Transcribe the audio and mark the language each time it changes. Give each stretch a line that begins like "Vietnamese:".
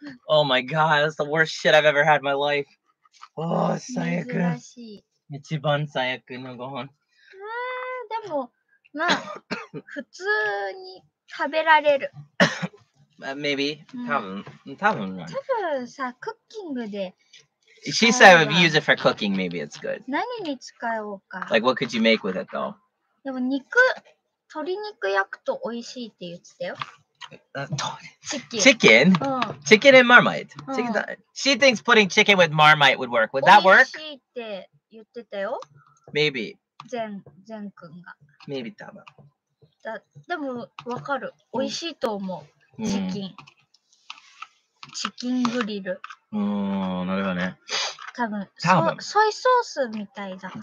English: Oh my god, that's the worst shit I've ever had in my life.
Japanese: Oh, 最悪。珍しい。一番最悪のご飯。でも、まあ、普通に食べられる。
English: Maybe.
Japanese: 多分。多分さ、クッキングで。
English: She said if you use it for cooking, maybe it's good.
Japanese: 何に使おうか。
English: Like, what could you make with it, though?
Japanese: でも、肉、鶏肉焼くと美味しいって言ってたよ。
English: Chicken? Chicken and Marmite? She thinks putting chicken with Marmite would work. Would that work?
Japanese: おいしいって言ってたよ。
English: Maybe.
Japanese: ゼン君が。
English: Maybe
Japanese: 多分。でも分かる。おいしいと思う。チキン。チキングリル。なるほどね。多分。ソイソースみたいだから。